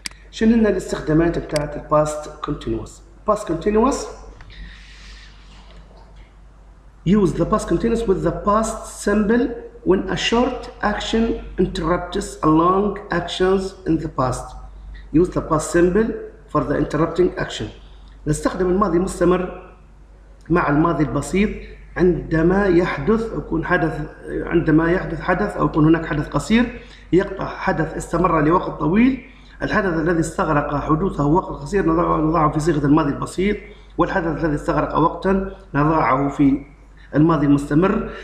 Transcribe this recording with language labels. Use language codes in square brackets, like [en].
[ar] شنو لنا الاستخدامات بتاعت [en] الباست continuous? Past continuous use the past continuous with the past simple when a short action interrupts a long actions in the past. Use the past symbol for the interrupting action. [ar] نستخدم الماضي المستمر مع الماضي البسيط عندما يحدث يكون حدث، عندما يحدث حدث او يكون هناك حدث قصير يقطع حدث استمر لوقت طويل. الحدث الذي استغرق حدوثه وقت قصير نضعه في صيغه الماضي البسيط، والحدث الذي استغرق وقتا نضعه في الماضي المستمر.